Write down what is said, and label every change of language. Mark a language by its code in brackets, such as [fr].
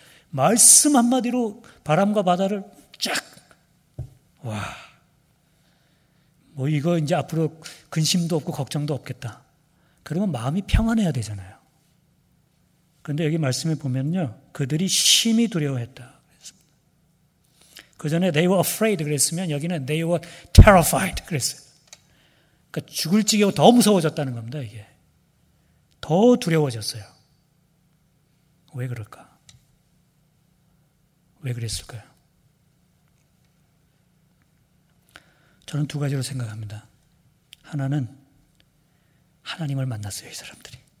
[ko] 말씀 한마디로 바람과 바다를 쫙, 와. 뭐 이거 이제 앞으로 근심도 없고 걱정도 없겠다. 그러면 마음이 평안해야 되잖아요. 그런데 여기 말씀을 보면요, 그들이 심히 두려워했다. 그 전에 [en] they were afraid [ko] 그랬으면 여기는 [en] they were terrified [ko] 그랬어요. 그러니까 죽을 지경으로 더 무서워졌다는 겁니다. 이게 더 두려워졌어요. 왜 그럴까? 왜 그랬을까요? 저는 두 가지로 생각합니다. 하나는 하나님을 만났어요, 이 사람들이.